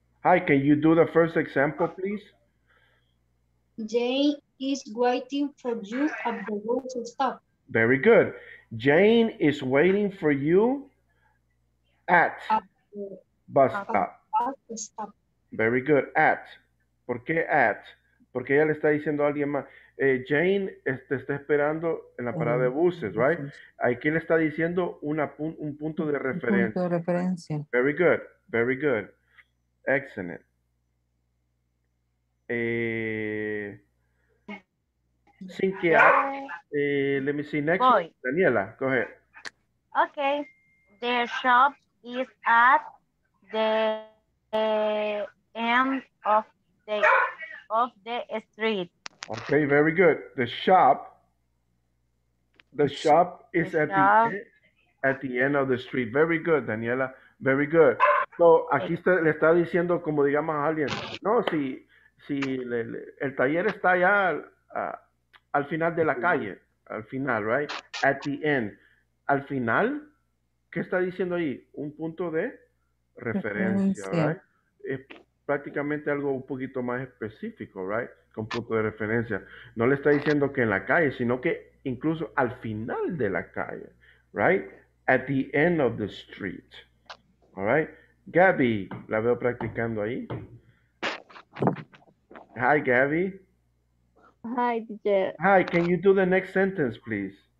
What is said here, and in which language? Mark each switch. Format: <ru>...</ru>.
<en>Hi, can you do the first example, please? Jane is waiting for you at the road to stop. Very good. Jane is waiting for you at bus stop. Very good. At.</en> <es>¿Por qué</es> <en>at?</en> <es>Porque ella le está diciendo a alguien más. Jane te está esperando en la parada de buses, right? Aquí le está diciendo un punto de referencia. Punto de referencia.</es> <en>Very good. Very good. Excellent. Cynthia, let me see next. Boy. Daniela, go ahead. Okay. The shop is at the end of the street. Okay, very good. The shop. The shop is at the end of the street. Very good, Daniela. Very good.</en> <es>So, aquí está, le está diciendo, como digamos a alguien, no, si el taller está allá al final de la calle, al final, right?</es> <en>At the end.</en> <es>Al final, ¿qué está diciendo ahí? Un punto de referencia, right? Es prácticamente algo un poquito más específico, right? Con punto de referencia. No le está diciendo que en la calle, sino que incluso al final de la calle, right?</es> <en>At the end of the street, all right?</en> <es>Gabby, la veo practicando ahí.</es> <en>Hi, Gabby. Hi, teacher. Hi, can you do the next sentence, please?</en>